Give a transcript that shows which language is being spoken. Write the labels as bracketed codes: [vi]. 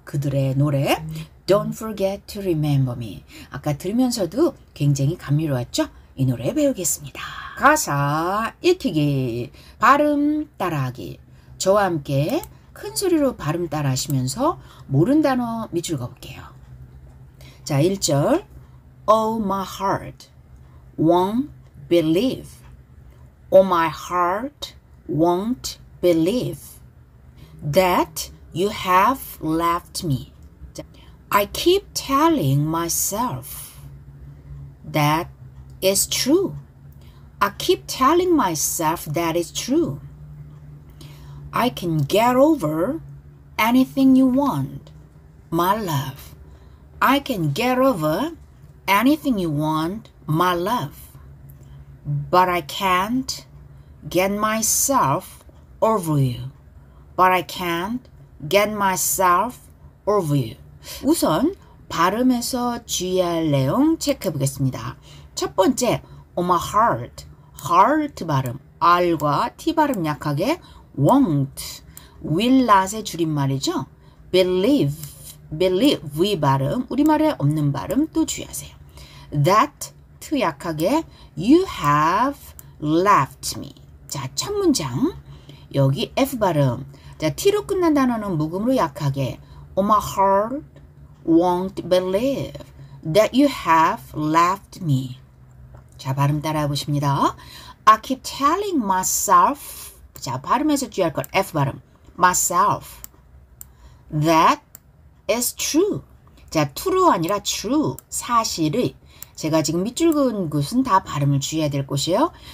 [ko] 그들의 노래 Don't Forget to Remember Me 아까 들으면서도 굉장히 감미로웠죠? 이 노래 배우겠습니다. 가사 읽히기 발음 따라하기 저와 함께 큰 소리로 발음 따라 하시면서 모른 단어 밑줄 가볼게요. 자, 1절 [en] Oh my heart won't believe Oh my heart won't believe that you have left me I keep telling myself that it's true I keep telling myself that it's true I can get over anything you want, my love. I can get over anything you want, my love. But I can't get myself over you. But I can't get myself over you. [ko] 우선 발음에서 주의할 내용 체크해 보겠습니다. 첫 번째, [en] oh my heart. [ko] heart 발음. R과 T 발음 약하게. won't, will not의 줄임말이죠. believe, we 발음, 우리말에 없는 발음 또 주의하세요. [en] that, [ko] 약하게, [en] you have left me. [ko] 자, 첫 문장, 여기 F 발음. 자, T로 끝난 단어는 묵음으로 약하게, [en] oh my heart won't believe that you have left me. [ko] 자, 발음 따라해 보십니다. [en] I keep telling myself. [ko] 자, 발음에서 주의할 것. F 발음. [en] Myself. That is true. [ko] 자, true 아니라 true. 사실을. 제가 지금 밑줄 그은 곳은 다 발음을 주의해야 될 곳이에요.